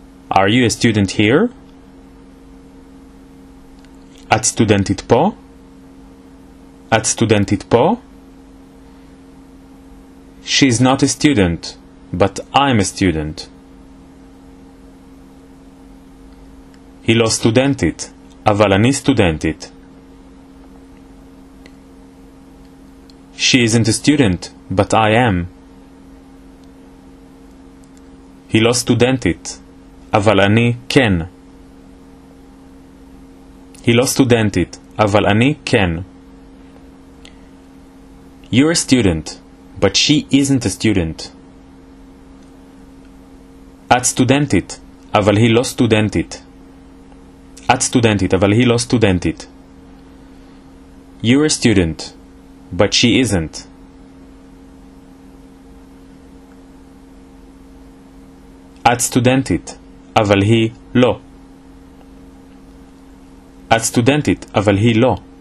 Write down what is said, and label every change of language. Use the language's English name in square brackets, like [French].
[English] Are you a student here? [Hebrew] At studentit po. At studentit po. [English] She's not a student, but I'm a student. [Hebrew] היא לא סטודנטית, אבל אני סטודנטית. [English] She isn't a student, but I am. [Hebrew] היא לא סטודנטית, אבל אני כן. היא לא סטודנטית, אבל אני כן. [English] You're a student, but she isn't a student. [Hebrew] את סטודנטית, אבל היא לא סטודנטית. את סטודנטית, אבל היא לא סטודנטית. [English] You're a student, but she isn't. [Hebrew] את סטודנטית, אבל היא לא. את סטודנטית, אבל היא לא.